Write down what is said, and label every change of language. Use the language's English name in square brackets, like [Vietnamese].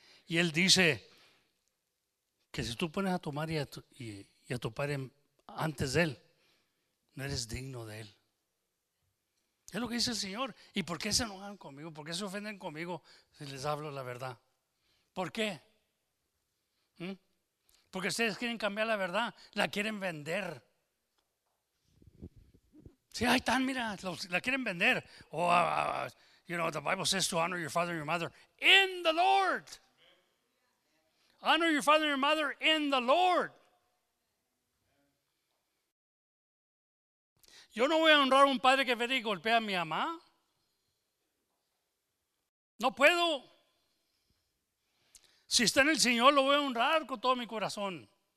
[Spanish] Y él dice que si tú pones a tu madre y a tu padre antes de él, no eres digno de él. Es lo que dice el Señor. ¿Y por qué se enojan conmigo? ¿Por qué se ofenden conmigo si les hablo la verdad? ¿Por qué? Porque ustedes quieren cambiar la verdad, la quieren vender. Sí, ahí están, mira, la quieren vender. [English] Oh, you know, the Bible says to honor your father and your mother in the Lord. Honor your father and your mother in the Lord. [Spanish] Yo no voy a honrar a un padre que viene y golpea a mi mamá. No puedo. Si está en el Señor, lo voy a honrar con todo mi corazón.